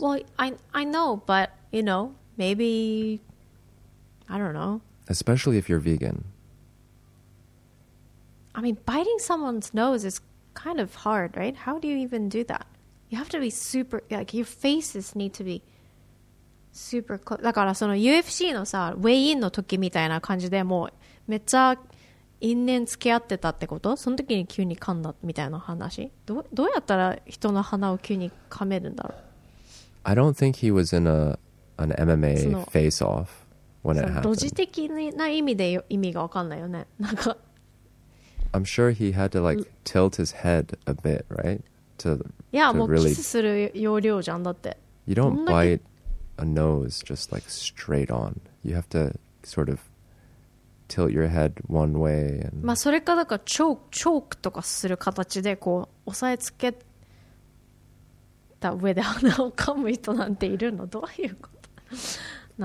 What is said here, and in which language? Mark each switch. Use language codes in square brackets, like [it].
[en] Well, I know, but, you know, maybe, I don't know. Especially if you're vegan. I mean, biting someone's nose is kind of hard, right? How do you even do that? You have to be super, like, your faces need to be super close. [ja] だからその UFC のさ、ウェイインの時みたいな感じでもうめっちゃ因縁付き合ってたってこと？その時に急に噛んだみたいな話？どうやったら人の鼻を急に噛めるんだろう？ [en] I don't think he was in an MMA face off when it happened. [ja] ロジ的な意味で意味が分かんないよね。なんか [en] I'm sure he had to like tilt his head a bit, right? To yeah, to [ja] もう [en] really... [ja] キスする要領じゃんだって。 [en] You don't bite a nose just like straight on. You have to sort of tilt your head one way. And... [ja] まあそれかだからチョークとかする形でこう押さえつけた上で鼻を噛む人なんているの、どういうこと？